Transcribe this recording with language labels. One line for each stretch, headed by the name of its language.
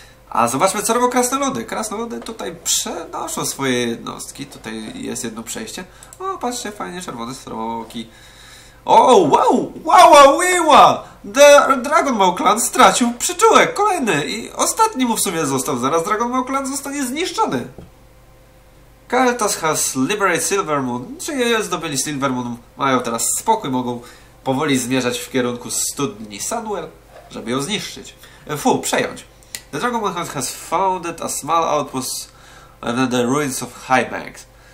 Polish: A zobaczmy, co robią krasnoludy. Krasnoludy tutaj przenoszą swoje jednostki. Tutaj jest jedno przejście. O, patrzcie, fajnie, czerwone stroki. O, wow! Wowa, wiwa! Dragon Maw Clan stracił przyczółek, kolejny! I ostatni mu w sumie został. Zaraz Dragon Maw Clan zostanie zniszczony.
English: Kael'thas has liberated Silvermoon.
Polish: Czyli zdobyli Silvermoon, mają teraz spokój, mogą powoli zmierzać w kierunku studni Sunwell, żeby ją zniszczyć. Przejąć.
English: The Dragon Hunt has founded a small outpost under the ruins of Highbanks.